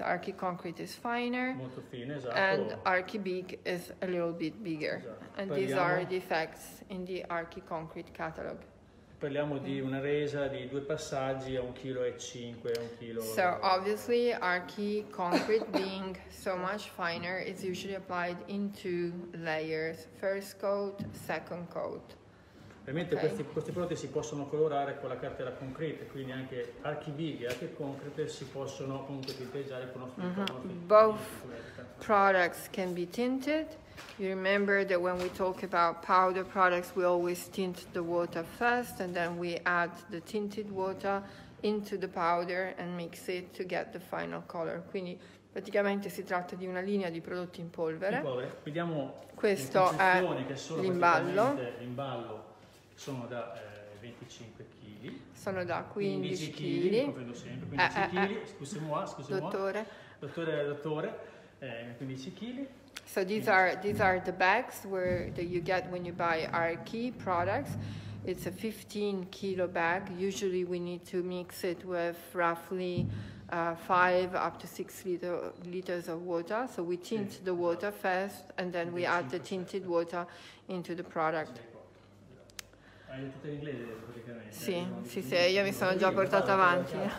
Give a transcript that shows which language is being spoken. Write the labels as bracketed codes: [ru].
[en] Archi concrete is finer, [it] molto fine, esatto. [en] And Archi Big is a little bit bigger. [it] Esatto. [en] And these are the effects in the Archi concrete catalog. [it] Parliamo di una resa di due passaggi a 1,5 kg, a 1 kg. [en] So obviously Archi concrete being so much finer is usually applied in two layers, first coat, second coat. [it] Ovviamente questi prodotti si possono colorare con la cartella concrete, quindi anche Archi Big e Archi concrete si possono comunque tinteggiare con uno spray. [en] Both products can be tinted. You remember that when we talk about powder products, we always tint the water first and then we add the tinted water into the powder and mix it to get the final color. [it] Quindi praticamente si tratta di una linea di prodotti in polvere. Vediamo questo è l'imballo. Sono da 25 kg. Sono da 15 kg. Comprendo sempre 15 kg. Scusi, dottore. Dottore, 15 kg. [en] So these are the bags where that you get when you buy Archi products. It's a 15 kilo bag. Usually we need to mix it with roughly 5 up to 6 liters of water. So we tint the water first and then we add the tinted water into the product. [it] Hai tutto in inglese praticamente. Sì, sì, sì, io mi sono già portato avanti.